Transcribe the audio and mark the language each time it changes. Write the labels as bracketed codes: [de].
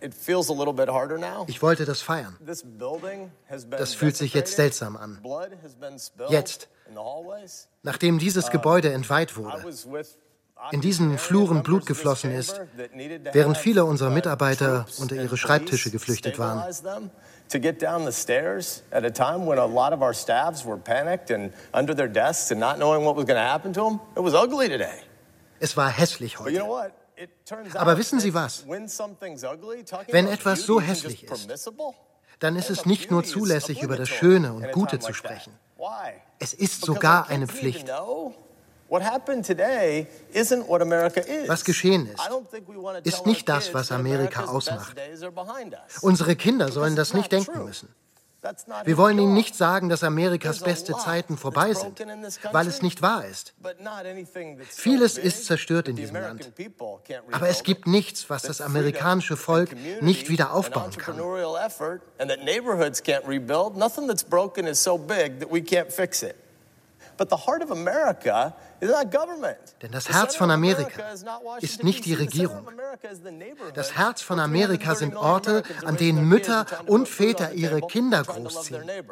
[de] Ich wollte das feiern. Das fühlt sich jetzt seltsam an. Jetzt, nachdem dieses Gebäude entweiht wurde, in diesen Fluren Blut geflossen ist, während viele unserer Mitarbeiter unter ihre Schreibtische geflüchtet waren. [en] To get down the stairs at a time when a lot of our staffs were panicked and under their desks and not knowing what was going to happen to them, it was ugly today. [de] Es war hässlich heute. [en] But you know what? It turns out. [de] Aber wissen Sie was? [en] When something's ugly, [de] wenn etwas so hässlich ist, dann ist es nicht nur zulässig, über das Schöne und Gute zu sprechen. [en] Why? [de] Es ist sogar eine Pflicht. [en] What happened today isn't what America is. [de] Was geschehen ist, ist nicht das, was Amerika ausmacht. Unsere Kinder sollen das nicht denken müssen. Wir wollen ihnen nicht sagen, dass Amerikas beste Zeiten vorbei sind, weil es nicht wahr ist. Vieles ist zerstört in diesem Land. Aber es gibt nichts, was das amerikanische Volk nicht wieder aufbauen kann. [en] Nothing that's broken is so big that we can't fix it. But the heart of America is not government. [de] Denn das Herz von Amerika ist nicht die Regierung. Das Herz von Amerika sind Orte, an denen Mütter und Väter ihre Kinder großziehen.